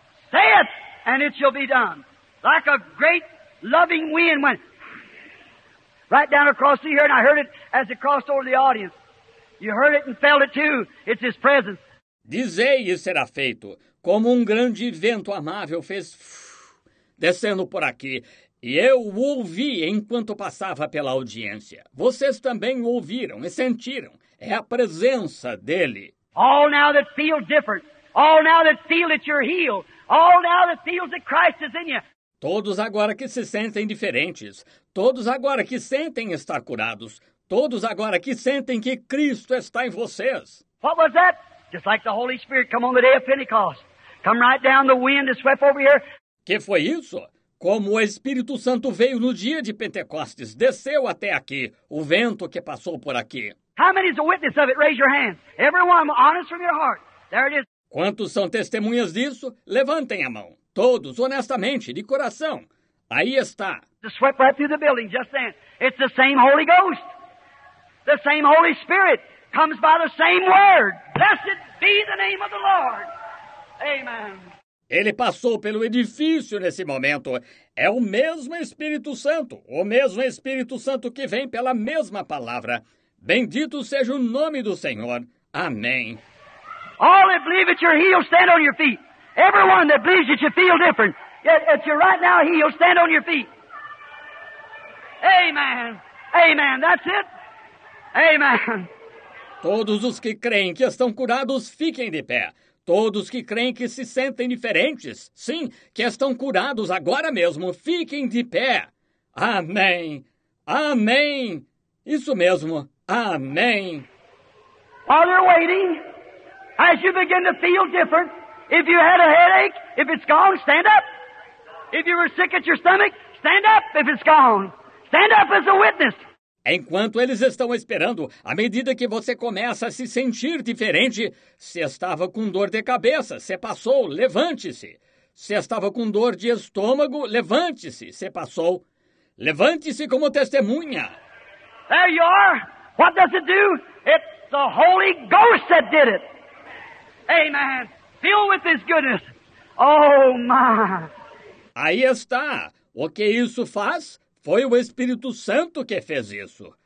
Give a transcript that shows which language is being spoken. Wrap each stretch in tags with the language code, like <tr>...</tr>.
<en>Say it, and it shall be done. Like a great loving wind went right down across the earth, and I heard it as it crossed over the audience. You heard it and felt it too. It's His presence.</en> <pt>Dizei e será feito. Como um grande vento amável fez descendo por aqui. E eu o ouvi enquanto passava pela audiência. Vocês também o ouviram e sentiram. É a presença dele.</pt> <en>All now that feels different. All now that feels that you're healed. All now that feels that Christ is in you.</en> <pt>Todos agora que se sentem diferentes. Todos agora que sentem estar curados. Todos agora que sentem que Cristo está em vocês.</pt> <en>What was that? Just like the Holy Spirit come on the day of Pentecost. Come right down the wind that swept over here.</en> <pt>Que foi isso? Como o Espírito Santo veio no dia de Pentecostes, desceu até aqui, o vento que passou por aqui.</pt> <en>How many is a witness of it? Raise your hand. Everyone, honest from your heart. There it is.</en> <pt>Quantos são testemunhas disso? Levantem a mão. Todos, honestamente, de coração. Aí está.</pt> <en>It swept right through the building just then. It's the same Holy Ghost. The same Holy Spirit. Comes by the same word. Blessed be the name of the Lord. Amen.</en> <pt>Ele passou pelo edifício nesse momento. É o mesmo Espírito Santo. O mesmo Espírito Santo que vem pela mesma palavra. Bendito seja o nome do Senhor. Amém.</pt> <en>All that believe that you're healed, stand on your feet. Everyone that believes that you feel different, that you're right now healed, stand on your feet. Amen. Amen. That's it. Amen.</en> <pt>Todos os que creem que estão curados, fiquem de pé. Todos que creem que se sentem diferentes, sim, que estão curados agora mesmo, fiquem de pé. Amém. Amém. Isso mesmo. Amém.</pt> <en>While you're waiting, as you begin to feel different, if you had a headache, if it's gone, stand up. If you were sick at your stomach, stand up if it's gone. Stand up as a witness.</en> <pt>Enquanto eles estão esperando, à medida que você começa a se sentir diferente, se estava com dor de cabeça, se passou, levante-se. Se estava com dor de estômago, levante-se, se passou. Levante-se como testemunha.</pt> <en>There you are. What does it do? It's the Holy Ghost that did it. Amen. Filled with His goodness. Oh, my.</en> <pt>Aí está. O que isso faz? Foi o Espírito Santo que fez isso.</pt>